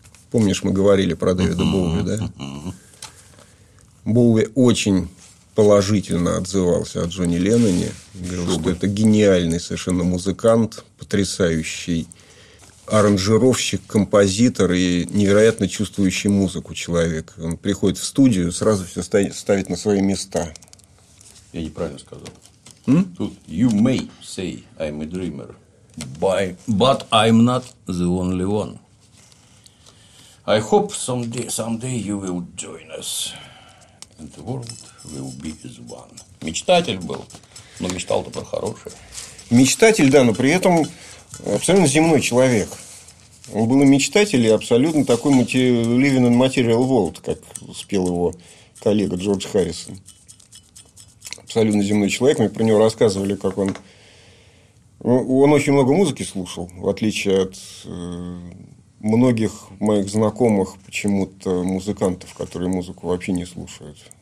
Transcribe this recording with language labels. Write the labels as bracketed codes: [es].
[ru] Помнишь, мы говорили про Дэвида Боуи, да? Боуи очень положительно отзывался о Джонни Ленноне. Говорил, что это гениальный совершенно музыкант, потрясающий аранжировщик, композитор и невероятно чувствующий музыку человек. Он приходит в студию, сразу все ставит на свои места. Я неправильно сказал. Тут [en] you may say I'm a dreamer, but I'm not the only one. I hope someday you will join us and the world will be as one. [ru] Мечтатель был, но мечтал-то про хорошее. Мечтатель, да, но при этом абсолютно земной человек. Он был и мечтатель, и абсолютно такой [en] living in material world, [ru] как спел его коллега Джордж Харрисон. Абсолютно земной человек. Мне про него рассказывали, как он... Он очень много музыки слушал, в отличие от многих моих знакомых почему-то музыкантов, которые музыку вообще не слушают.